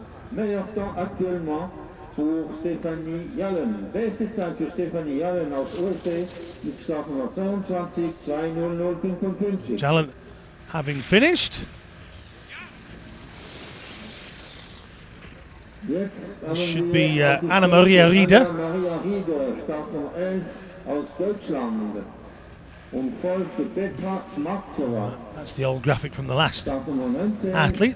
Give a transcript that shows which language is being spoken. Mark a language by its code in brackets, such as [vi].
[fr] Meilleur temps actuellement pour Stéphanie Jallon. [de] Beste Zeit für Stéphanie Jallon aus USA. Mit Startnummer 22, 2:00.55. [en] Jallon having finished. Yes. This should be Anna Maria Rieder. [de] Anna Maria Rieder, Startnummer 11 aus Deutschland. [en] That's the old graphic from the last athlete.